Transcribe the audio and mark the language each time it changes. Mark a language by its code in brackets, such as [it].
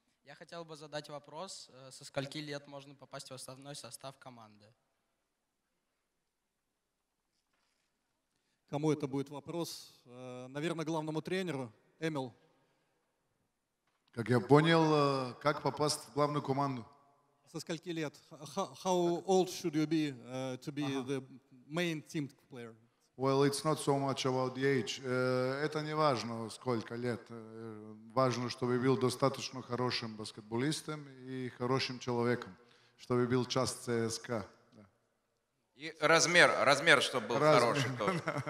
[ru] Я хотел бы задать вопрос, со скольки лет можно попасть в основной состав команды? Кому это будет вопрос? Наверное, главному тренеру. Эмил. Как я понял, как попасть в главную команду? Со скольки лет? [en] How old should you be to be the main team player? Well, it's not so much about the age. [ru] Это не важно, сколько лет. Важно, чтобы был достаточно хорошим баскетболистом и хорошим человеком, чтобы был час ЦСКА. Да. И размер, размер, чтобы был размер. Хороший тоже.